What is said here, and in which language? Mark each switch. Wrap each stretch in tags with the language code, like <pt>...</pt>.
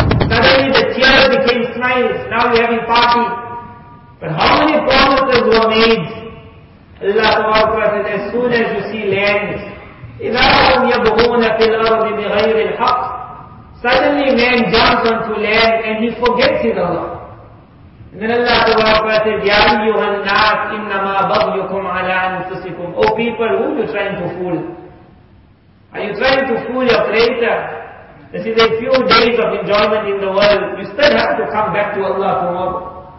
<en>Suddenly the tears became smiles. Now you're having party. But how many promises were made? Allah Ta'ala says, as soon as you see land,</en> <ar>إِذَا هُمْ يَبْغُونَ فِي الْأَرْضِ بِغَيْرِ الْحَقِّ.</ar> <en>Suddenly man jumps onto land and he forgets his Allah. And then Allah says,</en> <ar>يَا أَيُّهَا النَّاسُ إِنَّمَا بَغْيُكُمْ عَلَىٰ أَنفُسِكُمْ.</ar> <en>Oh people, who are you trying to fool? Are you trying to fool your creator? This is a few days of enjoyment in the world. You still have to come back to Allah tomorrow.</en>